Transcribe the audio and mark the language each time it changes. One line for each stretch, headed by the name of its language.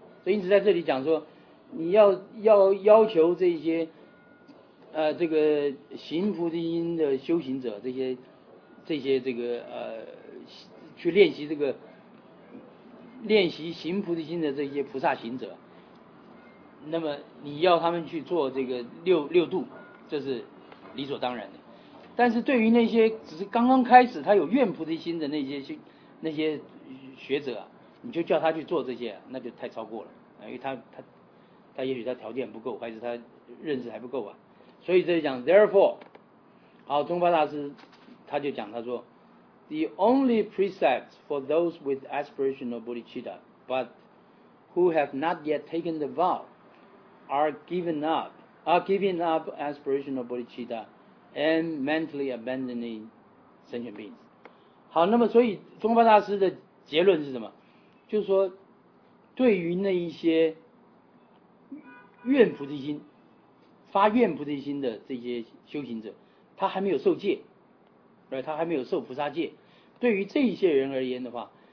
Chinese: 所以一直在这里讲说，你要要求这些这个行菩提心的修行者，这些这个去练习这个练习行菩提心的这些菩萨行者，那么你要他们去做这个六度，这是理所当然的。但是对于那些只是刚刚开始他有愿菩提心的那些学者啊，你就叫他去做这些，那就太超过了，因为他也许他条件不够，还是他认识还不够啊。所以这里讲
English: therefore，
Chinese: 好，中巴大师他就讲，他说
English: the only precepts for those with aspirational bodhicitta but who have not yet taken the vow are giving up aspirational bodhicitta and mentally abandoning sentient beings。
Chinese: 好，那么所以中巴大师的结论是什么？就是说对于那一些愿菩提心发愿菩提心的这些修行者，他还没有受戒，他还没有受菩萨戒，对于这些人而言的话，